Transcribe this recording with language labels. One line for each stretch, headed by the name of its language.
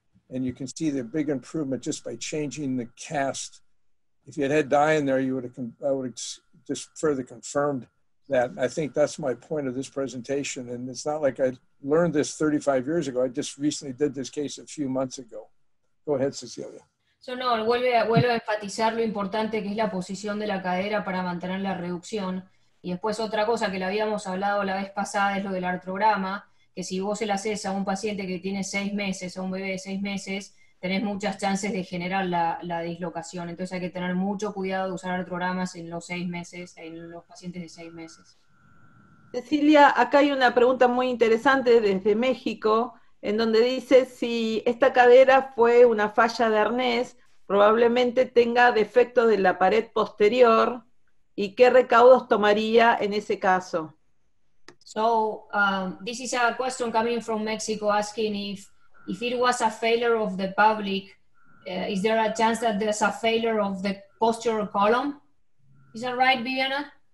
English: And you can see the big improvement just by changing the cast. If you had had dye in there, I would have just further confirmed that. I think that's my point of this presentation. And it's not like I learned this 35 years ago. I just recently did this case a few months ago. Go ahead, Cecilia.
Spanish: So, no, vuelvo a enfatizar lo importante que es la posición de la cadera para mantener la reducción. Y después otra cosa que le habíamos hablado la vez pasada es lo del artrograma, que si vos se la haces a un paciente que tiene 6 meses, a un bebé de 6 meses, tenés muchas chances de generar la dislocación. Entonces hay que tener mucho cuidado de usar artrogramas en los 6 meses, en los pacientes de 6 meses. Cecilia, acá hay una pregunta muy interesante desde México, en donde dice si esta cadera fue una falla de arnés, probablemente tenga defecto de la pared posterior, y qué recaudos tomaría en ese caso.
English: So, this is a question coming from Mexico asking if it was a failure of the pelvic, is there a chance that there's a failure of the posterior column? Is that right, Viviana?